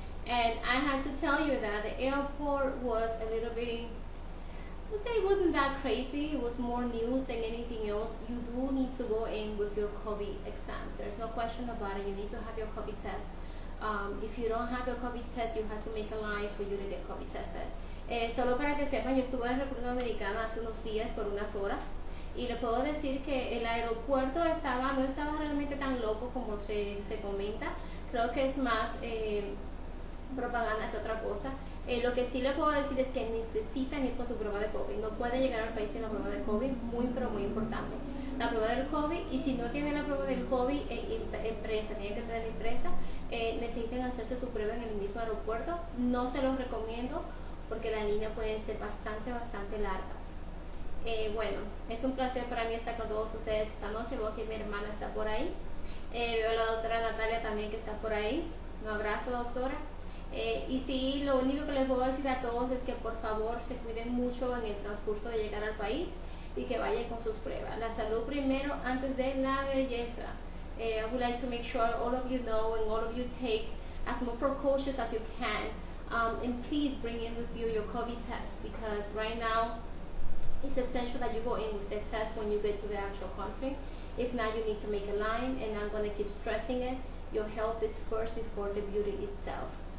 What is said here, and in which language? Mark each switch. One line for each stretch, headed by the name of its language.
English: And I had to tell you that the airport was a little bit, I would say it wasn't that crazy. It was more news than anything else. You do need to go in with your COVID exam. There's no question about it. You need to have your COVID test. If you don't have your COVID test, you have to make a line for you to get COVID tested.
Spanish: Solo para que sepan, yo estuve en República Dominicana hace unos días por unas horas. Y le puedo decir que el aeropuerto estaba, no estaba realmente tan loco como se comenta. Creo que es más propaganda que otra cosa. Lo que sí le puedo decir es que necesitan ir con su prueba de COVID. No puede llegar al país sin la prueba de COVID. Muy, pero muy importante. La prueba del COVID. Y si no tiene la prueba del COVID, empresa, tiene que tener empresa, necesitan hacerse su prueba en el mismo aeropuerto. No se los recomiendo porque las líneas pueden ser bastante, bastante largas. Bueno, es un placer para mí estar con todos ustedes esta noche. Veo que mi hermana está por ahí. Veo a la doctora Natalia también que está por ahí. Un abrazo, doctora. Y sí, lo único que les puedo decir a todos es que por favor se cuiden mucho en el transcurso de llegar al país y que vayan con sus pruebas. La salud primero antes de la belleza.
English: I would like to make sure all of you know and all of you take as much precautions as you can. And please bring in with you your COVID test because right now it's essential that you go in with the test when you get to the actual country. If not, you need to make a line and I'm going to keep stressing it. Your health is first before the beauty itself.